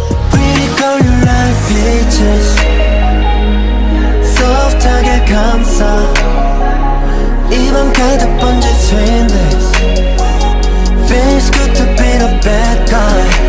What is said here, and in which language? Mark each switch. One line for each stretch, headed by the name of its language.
English: Pretty girl, you like peaches.
Korean: 소프트하게 감싸. 입안 가득 번진 sweetness.
English: Feels good to be the bad guy.